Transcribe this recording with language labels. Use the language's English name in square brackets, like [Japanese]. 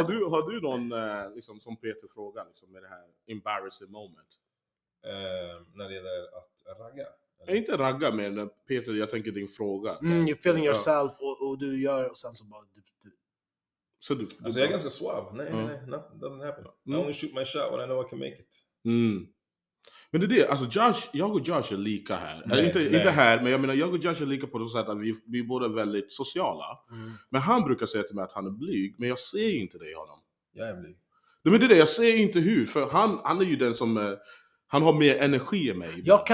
[Swedish] Har du någon liksom, som Peter frågar liksom, med det här [English] embarrassing moment? [Swedish] När det gäller att ragga? Eller? Inte ragga, men Peter, jag tänker din fråga. [English] You're feeling yourself [Swedish] och du gör och sen så bara... Så du jag är ganska suave. Nej, [English] doesn't happen. I only shoot my shot when I know I can make it. [Swedish] Men det är det, alltså jag och Josh är lika här. Inte här, men jag menar jag och Josh är lika på så sätt att vi är båda väldigt sociala. Men han brukar säga till mig att han är blyg, men jag ser inte det i honom. Jag är blyg. Nej, men det är det, jag ser inte hur, för han är ju den som, han har mer energi än mig.